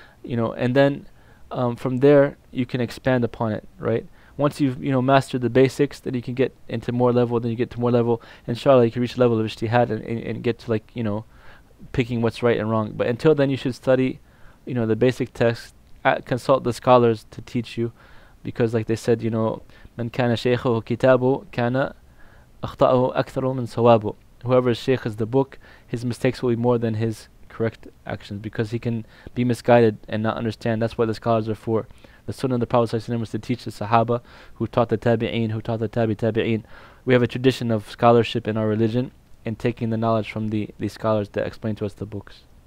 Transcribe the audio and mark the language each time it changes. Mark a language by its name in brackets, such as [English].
[English] You know, and then from there you can expand upon it, right? Once you've, you know, mastered the basics, then you can get into more level, then you get to more level. Inshallah, you can reach the level of ijtihad and get to, like, you know, picking what's right and wrong. But until then, you should study, you know, the basic text, consult the scholars to teach you. Because like they said, you know, [Arabic] من كان شيخه كتابه كان أخطأه أكثر من صوابه. [English] Whoever's sheikh is the book, his mistakes will be more than his correct actions, because he can be misguided and not understand. That's what the scholars are for. The sunnah of the Prophet ﷺ was to teach the Sahaba, who taught the Tabi'een, who taught the Tabi'een. We have a tradition of scholarship in our religion and taking the knowledge from the scholars that explain to us the books.